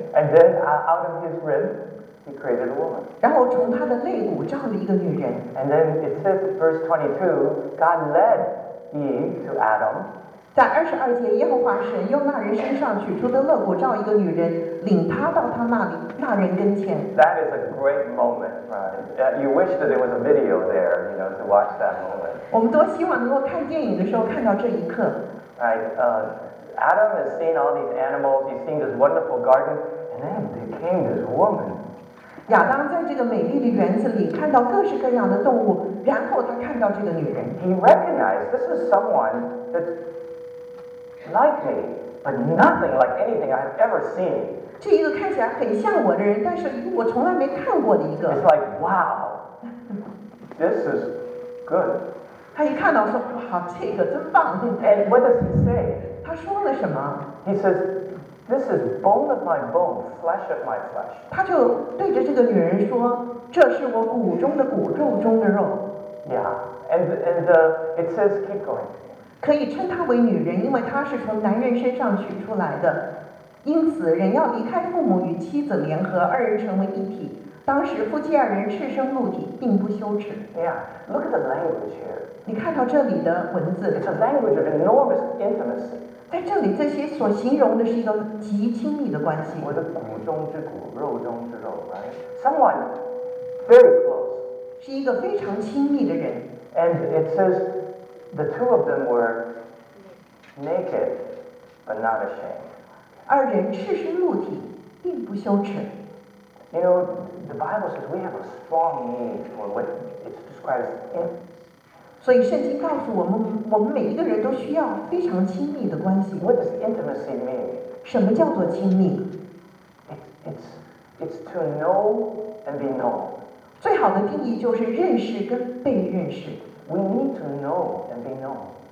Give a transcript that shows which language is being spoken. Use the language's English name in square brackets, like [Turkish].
[English] And then out of his rib, he created a woman. [Chinese] 然后从他的肋骨造了一个女人。 [English] And then it says, verse 22, God led Eve to Adam. [Chinese] 在二十二节，耶和华神用那人身上取出的肋骨造一个女人，领她到他那里，那人跟前。 [English] That is a great moment, right? You wish that there was a video there, you know, to watch that moment. [Chinese] 我们多希望能够看电影的时候看到这一刻。 [English] Adam has seen all these animals. He's seen this wonderful garden, and then there came this woman. [Chinese] 亚当在这个美丽的园子里看到各式各样的动物，然后他看到这个女人。 [English] He recognized this is someone that. Like me, but nothing like anything I've ever seen. [Chinese] 这一个看起来很像我的人，但是我从来没看过的一个。 [English] It's like, wow, this is good. [Chinese] 他一看到说，哇，这个真棒。 [English] And what does he say? [Chinese] 他说了什么？ [English] He says, this is bone of my bone, flesh of my flesh. [Chinese] 他就对着这个女人说，这是我骨中的骨，肉中的肉。 [English] Yeah, And it says keep going. [Chinese] 可以称她为女人，因为她是从男人身上取出来的。因此，人要离开父母与妻子联合，二人成为一体。当时夫妻二人赤身露体，并不羞耻。 [English] Yeah, look at the language here. [Chinese] 你看到这里的文字。 [English] It's a language of enormous intimacy. [Chinese] 在这里，这些所形容的是一个极亲密的关系。我的骨中之骨，肉中之肉 ， [English] right? Someone very close. [Chinese] 是一个非常亲密的人。 [English] And it says the two of them were naked, but not ashamed. [Chinese] 二人赤身露体，并不羞耻。 [English] You know, the Bible says we have a strong need for what it describes as intimacy. [Chinese] 所以圣经告诉我们，我们每一个人都需要非常亲密的关系。 [English] What does intimacy mean? [Chinese] 什么叫做亲密？ [English] It's to know and be known. [Chinese] 最好的定义就是认识跟被认识。 [English] We need to know and be known.